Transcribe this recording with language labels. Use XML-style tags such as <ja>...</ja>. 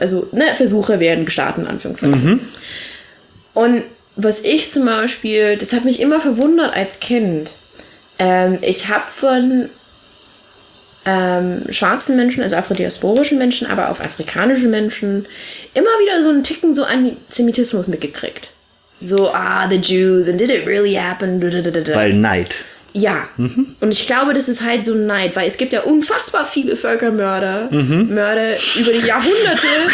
<de>Also ne, Versuche werden gestartet, in Anführungszeichen. Mhm. Und was ich zum Beispiel, das hat mich immer verwundert als Kind. Ich habe von schwarzen Menschen, also afrodiasporischen Menschen, aber auch afrikanischen Menschen, immer wieder so einen Ticken so Antisemitismus mitgekriegt.</de> <en>So, ah, the Jews, and did it really happen?</en> <de>Weil Neid. Ja, mhm. Und ich glaube, das ist halt so ein Neid, weil es gibt ja unfassbar viele Völkermörder, Mörder über die Jahrhunderte.</de>